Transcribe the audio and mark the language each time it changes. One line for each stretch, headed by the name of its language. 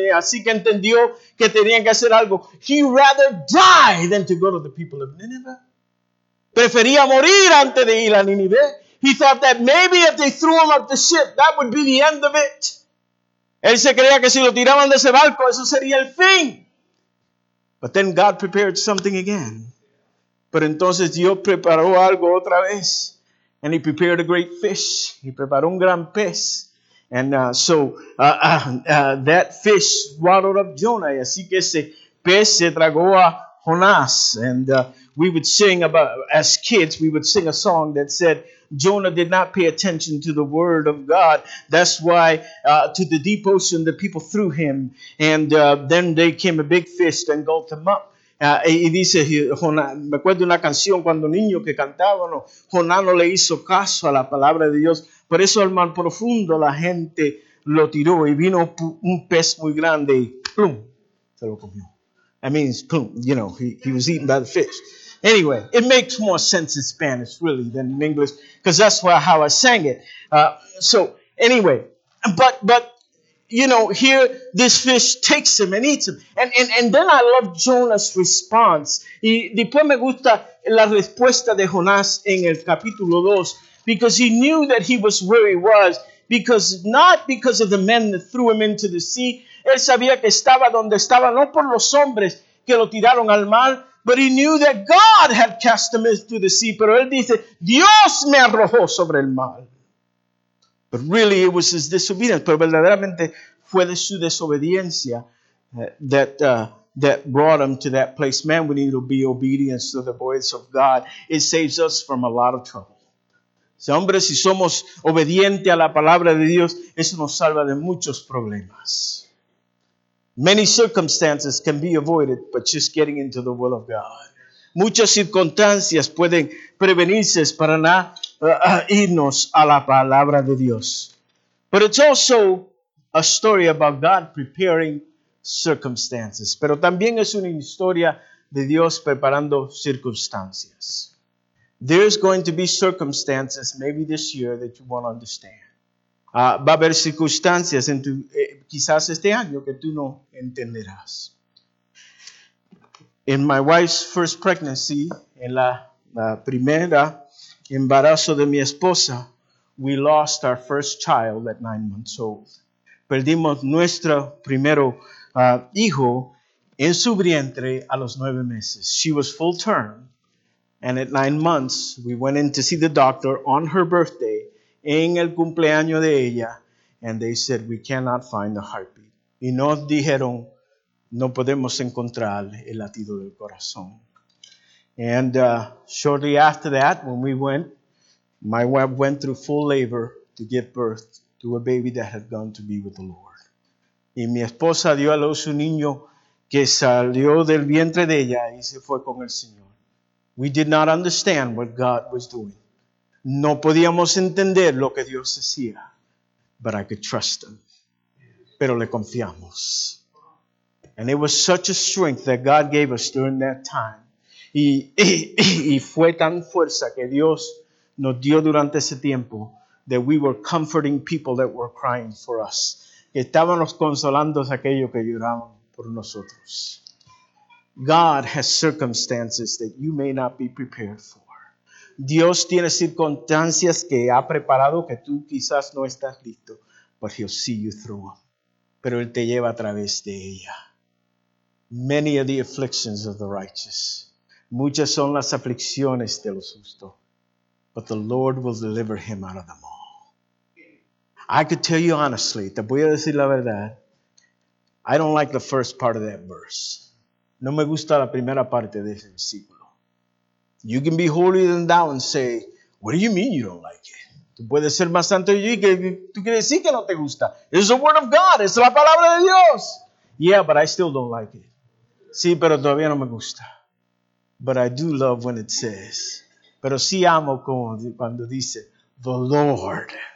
Spanish: Y así que entendió que tenían que hacer algo.
English: He rather die than to go to the people of Nineveh.
Spanish: Prefería morir antes de ir a Nineveh.
English: He thought that maybe if they threw him off the ship, that would be the end of it.
Spanish: Él se creía que si lo tiraban de ese barco, eso sería el fin.
English: But then God prepared something again.
Spanish: Pero entonces Dios preparó algo otra vez.
English: And he prepared a great fish. He
Spanish: preparó un gran pez.
English: And that fish swallowed up Jonah.
Spanish: Y así que ese pez se tragó a Jonás. And
English: we would sing about, as kids, we would sing a song that said, Jonah did not pay attention to the word of God. That's why to the deep ocean, the people threw him. And then they came a big fish and gulped him up.
Spanish: Y dice, Jonah, me acuerdo una canción cuando niño que cantaba, ¿no? Jonah no le hizo caso a la palabra de Dios. Por eso al mar profundo la gente lo tiró y vino un pez muy grande y plum, se lo comió.
English: That means, boom, you know, he was eaten by the fish. Anyway, it makes more sense in Spanish, really, than in English, because that's why, how I sang it. So, anyway, but you know, here this fish takes him and eats him. And then I love Jonah's response.
Spanish: Y después me gusta la respuesta de Jonás en el capítulo 2,
English: because he knew that he was where he was, because not because of the men that threw him into the sea.
Spanish: Él sabía que estaba donde estaba, no por los hombres que lo tiraron al mar,
English: but he knew that God had cast him into the sea.
Spanish: Pero él dice, Dios me arrojó sobre el mar.
English: But really it was his disobedience.
Spanish: Pero verdaderamente fue de su desobediencia
English: that brought him to that place. Man, we need to be obedient to the voice of God. It saves us from a lot of trouble.
Spanish: Si hombres, si somos obedientes a la palabra de Dios, eso nos salva de muchos problemas.
English: Many circumstances can be avoided, but just getting into the will of God.
Spanish: Muchas circunstancias pueden prevenirse para no irnos a la palabra de Dios.
English: But it's also a story about God preparing circumstances.
Spanish: Pero también es una historia de Dios preparando circunstancias.
English: There's going to be circumstances, maybe this year, that you won't understand.
Spanish: Va a haber circunstancias en tu, quizás este año que tú no entenderás.
English: In my wife's first pregnancy,
Spanish: en la primera embarazo de mi esposa,
English: we lost our first child at 9 months old.
Spanish: Perdimos nuestro primero hijo en su vientre a los 9 meses.
English: She was full term, and at 9 months, we went in to see the doctor on her birthday,
Spanish: en el cumpleaños de ella,
English: and they said, we cannot find the heartbeat.
Spanish: Y nos dijeron, no podemos encontrar el latido del corazón.
English: And shortly after that, when we went, my wife went through full labor to give birth to a baby that had gone to be with the Lord.
Spanish: Y mi esposa dio a luz un niño que salió del vientre de ella y se fue con el Señor.
English: We did not understand what God was doing.
Spanish: No podíamos entender lo que Dios hacía,
English: but I could trust him.
Spanish: Pero le confiamos.
English: And it was such a strength that God gave us during that time.
Spanish: Y fue tan fuerza que Dios nos dio durante ese tiempo
English: that we were comforting people that were crying for us.
Spanish: Que estábamos consolando a aquellos que lloraban por nosotros.
English: God has circumstances that you may not be prepared for.
Spanish: Dios tiene circunstancias que ha preparado que tú quizás no estás listo,
English: but he'll see you through them.
Spanish: Pero él te lleva a través de ella.
English: Many are the afflictions of the righteous.
Spanish: Muchas son las aflicciones de los justos,
English: but the Lord will deliver him out of them all. I could tell you honestly,
Spanish: te voy a decir la verdad,
English: I don't like the first part of that verse.
Spanish: No me gusta la primera parte de ese versículo.
English: You can be holier than thou and say, what do you mean you don't like it?
Spanish: Tú puedes ser más santo y tú quieres decir que no te gusta.
English: It's the word of God.
Spanish: Es la palabra de Dios.
English: Yeah, but I still don't like it.
Spanish: Sí, pero todavía no me gusta.
English: But I do love when it says.
Spanish: Pero sí amo cuando dice,
English: the Lord.